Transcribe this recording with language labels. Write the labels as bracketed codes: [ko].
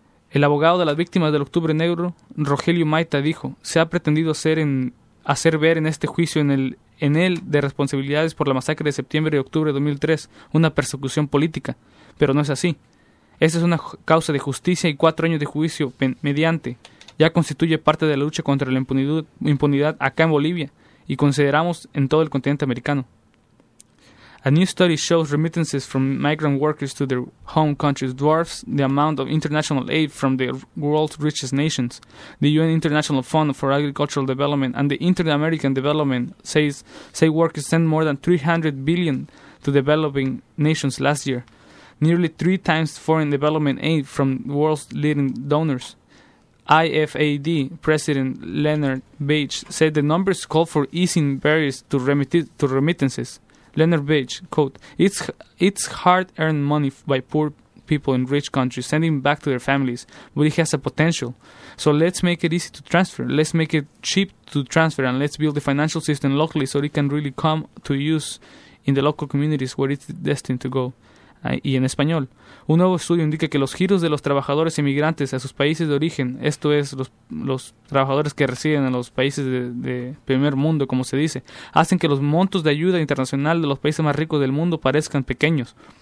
[es] El abogado de las víctimas del Octubre Negro, Rogelio Maita, dijo, se ha pretendido hacer ver en este juicio en él de responsabilidades por la masacre de septiembre y octubre de 2003 una persecución política, pero no es así. Esa es una causa de justicia y 4 años de juicio mediante. Ya constituye parte de la lucha contra la impunidad acá en Bolivia y consideramos en todo el continente americano. [en] A new study shows remittances from migrant workers to their home countries dwarfs the amount of international aid from the world's richest nations. The UN International Fund for Agricultural Development and the Inter-American Development say workers sent more than $300 billion to developing nations last year, nearly 3 times foreign development aid from world's leading donors. IFAD President Leonard Beige said the numbers call for easing barriers to remittances. Leonard Beige, quote, it's hard-earned money by poor people in rich countries, sending back to their families, but it has a potential. So let's make it easy to transfer, let's make it cheap to transfer, and let's build the financial system locally so it can really come to use in the local communities where it's destined to go. [es] Y en español, un nuevo estudio indica que los giros de los trabajadores inmigrantes a sus países de origen, esto es los trabajadores que residen en los países de primer mundo, como se dice, hacen que los montos de ayuda internacional de los países más ricos del mundo parezcan pequeños.